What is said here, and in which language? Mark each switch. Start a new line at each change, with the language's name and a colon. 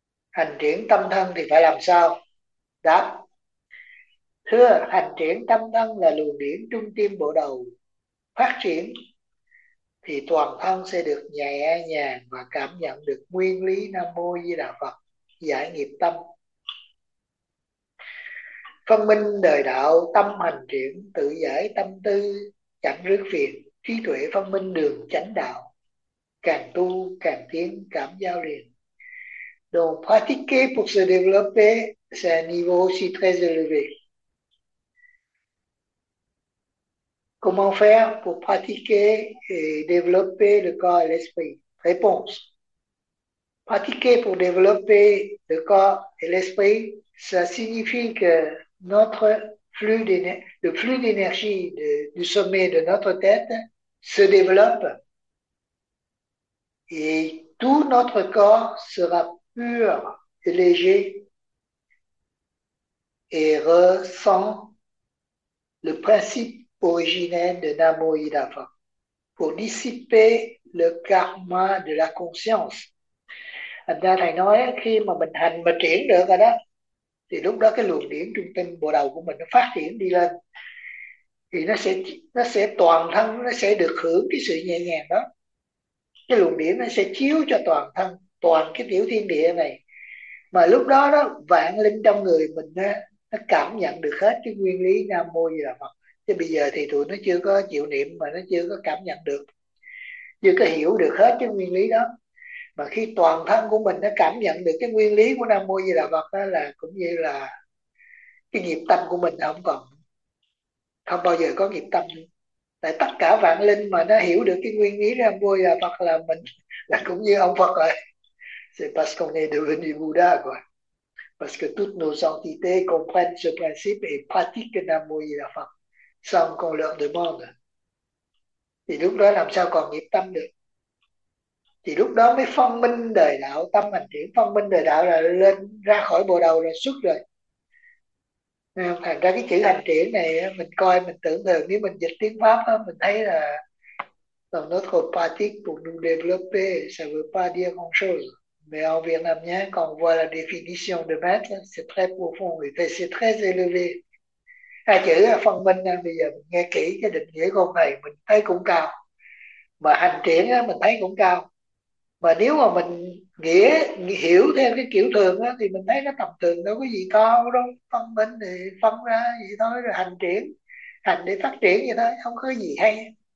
Vietnamese: Hành triển tâm thân thì phải làm sao? Đáp. Thưa, hành triển tâm thân là luồng điển trung tâm bộ đầu phát triển thì toàn thân sẽ được nhẹ nhàng và cảm nhận được nguyên lý Nam Mô Di Đà Phật giải nghiệp tâm. Phân minh đời đạo, tâm hành triển, tự giải tâm tư, chẳng rước phiền, trí tuệ phân minh đường chánh đạo. Càng tu càng tiến, cảm giao liền.
French: Donc, pratiquer pour se développer, c'est un niveau aussi très élevé. Comment faire pour pratiquer et développer le corps et l'esprit? Réponse. Pratiquer pour développer le corps et l'esprit, ça signifie que notre flux d'énergie, le flux d'énergie du sommet de notre tête se développe et tout notre corps sera pur et léger et ressent le principe originel de Namo Hidava pour dissiper le karma de la conscience.
Vietnamese: Thành ra thầy nói khi mà mình hành mà triển được rồi đó thì lúc đó cái luồng điển trung tâm bộ đầu của mình nó phát triển đi lên thì nó sẽ toàn thân nó sẽ được hưởng cái sự nhẹ nhàng đó, cái luồng điển nó sẽ chiếu cho toàn thân toàn cái tiểu thiên địa này, mà lúc đó đó vạn linh trong người mình nó cảm nhận được hết cái nguyên lý Nam Mô Di Đà Phật. Chứ bây giờ thì tụi nó chưa có chịu niệm mà nó chưa có cảm nhận được, chưa có hiểu được hết cái nguyên lý đó. Mà khi toàn thân của mình nó cảm nhận được cái nguyên lý của Nam Mô Di Đà Phật đó là cũng như là cái nghiệp tâm của mình không còn, không bao giờ có nghiệp tâm nữa. Tại tất cả vạn linh mà nó hiểu được cái nguyên lý Nam Mô Di Đà Phật là mình là cũng như ông Phật rồi.
French: C'est parce qu'on est devenu Bouddha quoi. Parce que toutes nos entités comprennent ce principe et pratiquent Nam Mô Di Đà Phật sans qu'on leur demande.
Vietnamese: Thì lúc đó làm sao còn nghiệp tâm được? Thì lúc đó mới phân minh đời đạo, tâm hành triển, phân minh đời đạo là lên ra khỏi bồ đầu rồi xuất rồi. Thành ra cái chữ hành triển này mình coi mình tưởng tượng nếu mình dịch tiếng Pháp đó, mình thấy là nó thuộc
French: pratique pour nous développer, ça veut pas dire grand chose. Mais en vietnamien, quand on voit la définition de maître, c'est très profond, et c'est très élevé.
Vietnamese: Hai chữ là phân minh, bây giờ mình nghe kỹ cái định nghĩa câu này mình thấy cũng cao, mà hành triển á, mình thấy cũng cao, mà nếu mà mình hiểu theo cái kiểu thường á, thì mình thấy nó tầm thường đâu có gì cao đâu. Phân minh thì phân ra vậy thôi, rồi hành triển hành để phát triển vậy thôi, không có gì hay.